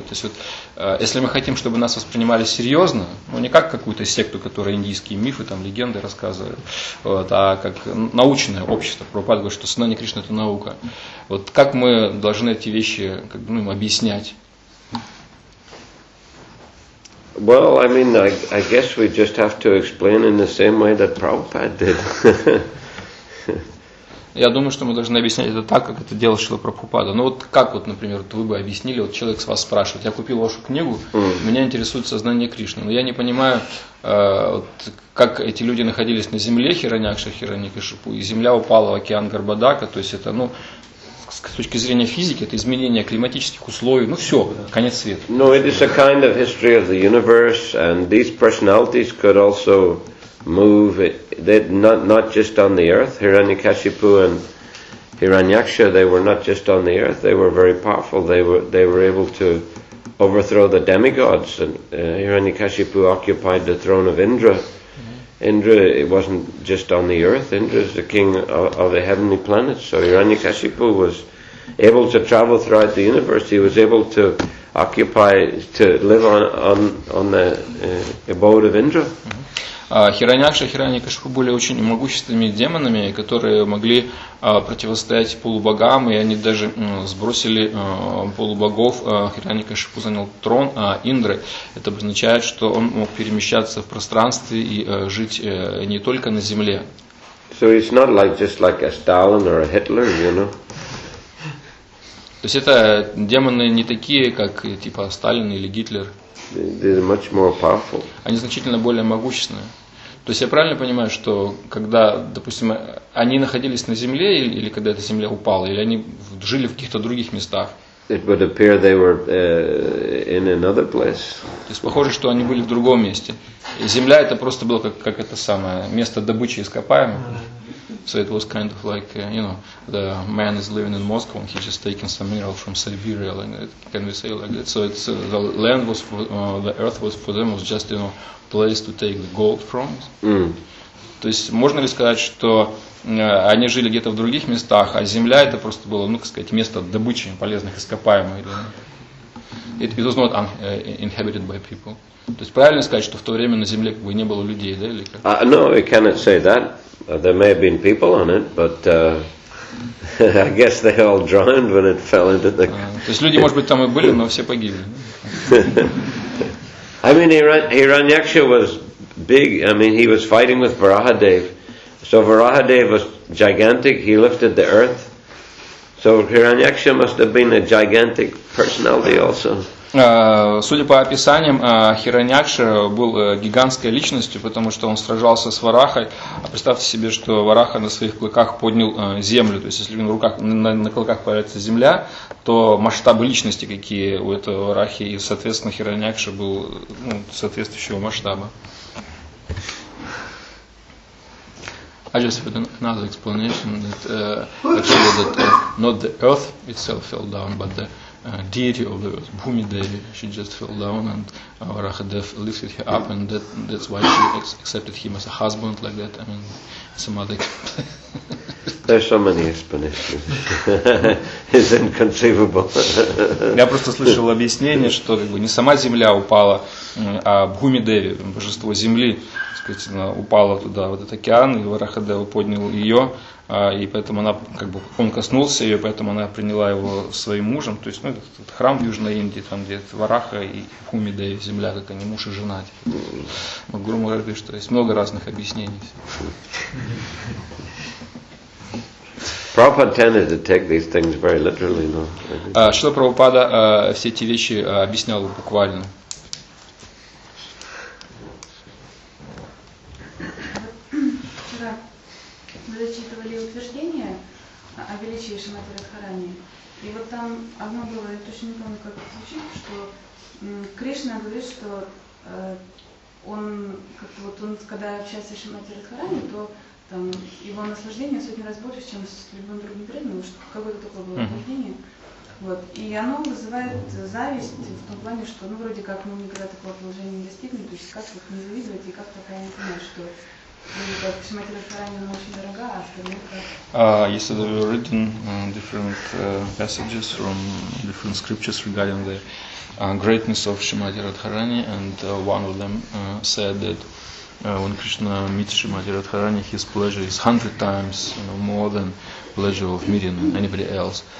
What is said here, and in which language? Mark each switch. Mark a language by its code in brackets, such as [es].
[ru] То есть вот, если мы хотим, чтобы нас воспринимали серьезно, ну не как какую-то секту, которая индийские мифы, там легенды рассказывает, вот, а как научное общество, Прабхупада говорит, что сознание Кришны – это наука. Вот как мы должны эти вещи как, ну, им объяснять? [en] Well, I mean, I guess we just have to explain in the same way that Prabhupada did. [ru] Я думаю, что мы должны объяснять это так, как это делал Шрила Прабхупада. Ну вот как вот, например, вот вы бы объяснили, вот человек с вас спрашивает, я купил вашу книгу, меня интересует сознание Кришны, но я не понимаю, вот, как эти люди находились на земле Хираньякша, Хираньякашипу, и земля упала в океан Гарбадака, то есть это, ну, с точки зрения физики, это изменение климатических условий, ну все, конец света. [en] No, it is a kind of history of the universe, and these personalities could also move it, not just on the earth. Hiranyakashipu and Hiranyaksha, they were not just on the earth, they were very powerful. They were able to overthrow the demigods, and Hiranyakashipu occupied the throne of Indra. Indra, it wasn't just on the earth. Indra is the king of the heavenly planets. So Hiranyakashipu was able to travel throughout the universe. He was able to occupy, to live on the abode of Indra. [ru] Хираньякша и Хираньякашипу были очень могущественными демонами, которые могли противостоять полубогам, и они даже сбросили полубогов. Хираньякашипу занял трон Индры. Это обозначает, что он мог перемещаться в пространстве и жить не только на земле. [en] So it's not like just like a Stalin or a Hitler, you know? [ru] То есть это демоны не такие, как типа Сталин или Гитлер. [en] They're much more powerful. [ru] Они значительно более могущественные. То есть я правильно понимаю, что когда, допустим, они находились на земле, или когда эта земля упала, или они жили в каких-то других местах? [en] It would appear they were in another place. [ru] То есть похоже, что они были в другом месте. И земля это просто было как это самое место добычи ископаемых. [en] So it was kind of like, you know, the man is living in Moscow and he just taking some mineral from Siberia, like that. Can we say like that? So it's the land was for, the earth was for them was just, you know, place to take the gold from. [ru] То есть можно ли сказать, что они жили где-то в других местах, а земля это просто было, ну, как сказать, место добычи полезных ископаемых? [en] It was not inhabited by people. [ru] То есть правильно сказать, что в то время на земле как бы не было людей, да, или как? [en] No, we cannot say that. There may have been people on it, but I guess they all drowned when it fell into the. [ru] То есть люди, может быть, там и были, но все погибли. [en] I mean, Hiranyaksha was big. I mean, he was fighting with Varahadev. So Varahadev was gigantic. He lifted the earth. So Hiranyaksha must have been a gigantic personality also. [ru] Судя по описаниям, Хираньякша был гигантской личностью, потому что он сражался с Варахой. А представьте себе, что Вараха на своих клыках поднял землю. То есть, если на руках, на клыках появляется земля, то масштабы личности какие у этого Варахи, и, соответственно, Хираньякша был, ну, соответствующего масштаба. [en] I just had another explanation that actually that not the earth itself fell down, but the deity of the earth, Bhumi Devi, she just fell down and Varahadev lifted her up, and that's why she accepted him as a husband like that. I mean, some other. There's so many explanations. It's inconceivable. [ru] Я просто слышал объяснение, что как бы не сама земля упала, а Бхуми Деви, божество земли, сказать, упала туда, вот этот океан, и Варахадева поднял ее, и поэтому она как бы он коснулся ее, поэтому она приняла его своим мужем. То есть, ну, этот храм в Южной Индии, там где Вараха и Бхуми Деви, земля, как они муж и жена. Грубо говоря, что есть много разных объяснений. [en] Prabhupada tended to take these things very literally, no? [ru] Шрила Прабхупада все эти вещи объяснял буквально. Вчера мы зачитывали утверждение о величии Шримати Радхарани. И вот там одно было, я точно не помню, как это звучит, что Кришна говорит, что он, как вот он, когда общается с Шримати Радхарани, то там его наслаждение в сотни раз больше, чем с любым другим преданным, что какое-то такое было наслаждение. Вот. И оно вызывает зависть в том плане, что ну вроде как мы никогда такого положения не достигли, то есть как их не завидовать и как пока я не понимаю, что Шримати Радхарани очень дорога, а остальные как. Если вы читали [en] different passages from different scriptures regarding the greatness of Шримати Радхарани, and one of them said that when Krishna meets Shrimati Radharani, his pleasure is 100 times, you know, more than pleasure of meeting anybody else.